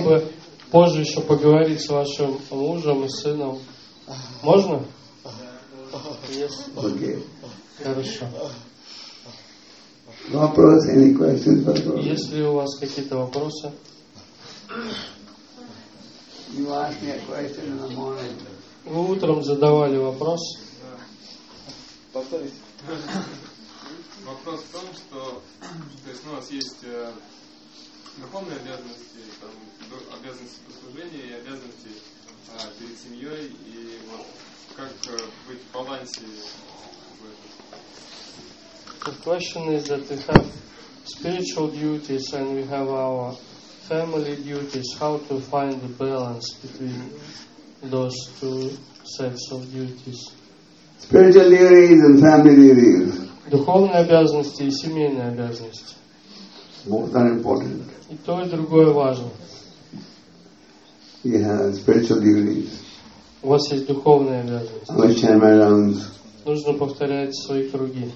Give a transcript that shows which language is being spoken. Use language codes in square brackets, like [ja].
[ru] бы позже еще поговорить с вашим мужем и сыном. Можно? Хорошо. Вопрос, [en] any questions, [ru] пожалуйста? Если у вас какие-то вопросы? [en] You asked me a question in the morning. [ru] Вы утром задавали вопрос. Повторите. Вопрос в том, что, то есть, ну, у вас есть духовные обязанности, там, обязанности послужения и обязанности перед семьей, и вот как быть в балансе в этом? [en] The question is that we have spiritual duties and we have our family duties. How to find the balance between those two sets of duties? Spiritual duties and family duties. [ru] Духовные обязанности и семейные обязанности. [en] Both are important. [ru] И то, и другое важно. [en] You have spiritual duties. [ru] У вас есть духовные обязанности. [en] I will chant my rounds. [ru] Нужно повторять свои круги.